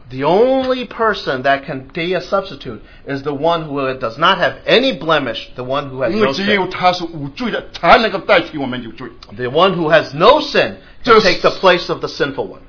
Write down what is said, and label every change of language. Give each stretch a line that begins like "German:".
English: The only person that can be a substitute is the one who does not have any blemish, the one who has no sin.
Chinese: 因为只有他是无罪的，才能够代替我们有罪。
English: The one who has no sin can take the place of the sinful one.